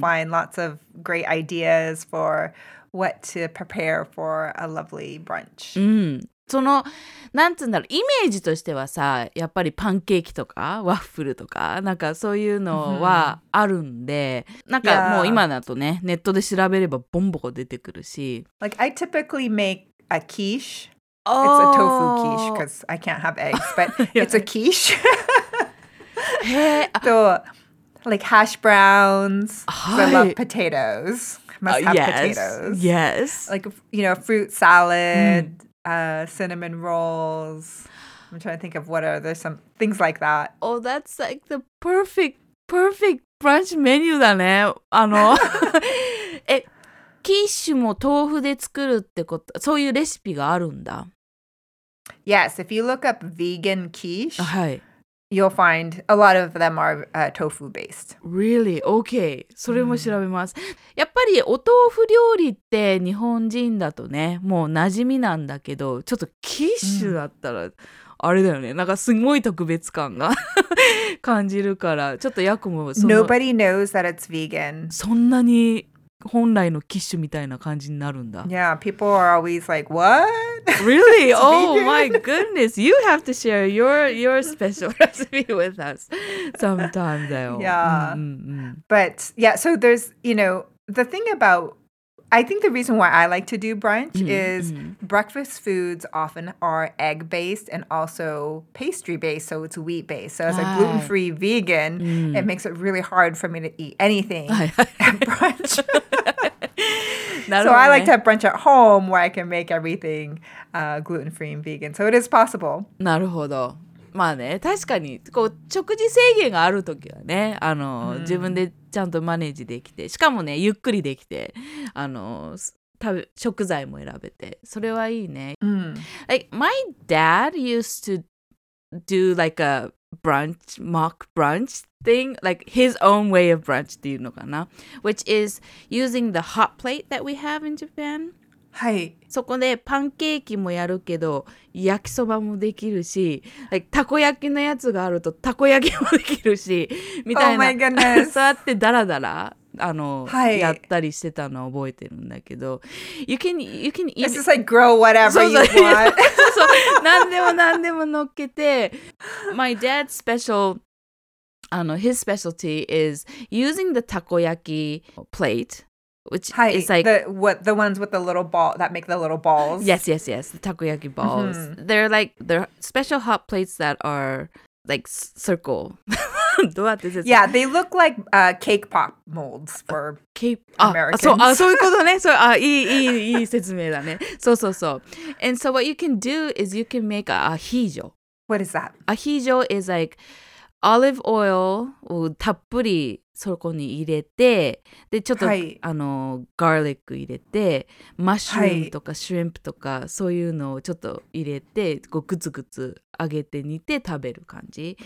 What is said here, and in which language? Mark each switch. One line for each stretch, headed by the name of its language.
English: find lots of great ideas for what to prepare for a lovely brunch. Mm.
Japanese: そのなんつうんだろうイメージとしてはさやっぱりパンケーキとかワッフルとかなんかそういうのはあるんで、mm-hmm. なんかもう今だとねネットで調べればボンボコ出てくるし
English: Like I typically make a quiche、oh. It's a tofu quiche because I can't have eggs But it's a quiche
Japanese: へえ。
English: と、so, Like hash browns、はい、I love potatoes Must have Yes Like you know fruit salad、mm. Cinnamon rolls. I'm trying to think of what are there some things like that. Oh, that's like the perfect brunch menu だね。
Japanese: あの、え、キッシュも豆腐で作るってこと、そういうレシピがあるんだ。
English: Yes, if you look up vegan quiche,、
Japanese: はい、
English: you'll find a lot of them are、tofu based. Really? Okay. それも調べます。 Mm.
Japanese: やっぱりお豆腐料理って日本人だとね、もう馴染みなんだけど、ちょっとキッシュだったら、あれだよね、なんかすごい特別感が感じるから、ちょっとヤコも
English: その Nobody knows that it's vegan.
Japanese: そんなに本来のキッシュみたいな感じになるんだ。
English: Yeah, people are always like, what? Really? Oh my goodness. You have to share your special recipe with us sometime, though. Yeah. But, yeah, so there's, you know,The thing about, I think the reason why I like to do brunch mm-hmm. is mm-hmm. breakfast foods often are egg-based and also pastry-based, so it's wheat-based. So as a gluten-free vegan, mm. it makes it really hard for me to eat anything at brunch. so I like to have brunch at home where I can make everything gluten-free and vegan. So it is possible.
Japanese: なるほど。まあね、確かにこう食事制限があるときはね、あの、mm. 自分でちゃんとマネージできて、しかもね、ゆっくりできて、あの、食材も選べて、それはいいね。 Mm.
English: Like, my dad used to do like a brunch, mock brunch thing, like his own way of brunch っていうのかな、 which is using the hot plate that we have in Japan.
Japanese: はい、そこでパンケーキもやるけど焼きそばもできるし、like、たこ焼きのやつがあるとたこ焼きもできるしみたいな、
English: oh、my goodness.
Japanese: そうやってダラダラあの、はい、やったりしてたのを覚えてるんだけど You can
English: It's just like grow whatever you want そう何でも乗っけて My dad's special あの His specialty is using the たこ焼き plate which is like the ones with the little ball that make the little balls. Yes, yes, yes. The takoyaki balls. Mm-hmm. They're like they're special hot plates that are like circle. Yeah, they look like cake pop molds for cake Americans.
Japanese: そういうことね。いい説明だね。そうそうそう。
English: And so what you can do is you can make a ajillo. What is that?
Japanese: Ajillo is like olive oil をたっぷりそこに入れて、でちょっと、はい、あのガーリック入れて、マッシュルームとかシュリンプとか、はい、そういうのをちょっと入れて、こうグツグツ揚げて煮て食べる感じ。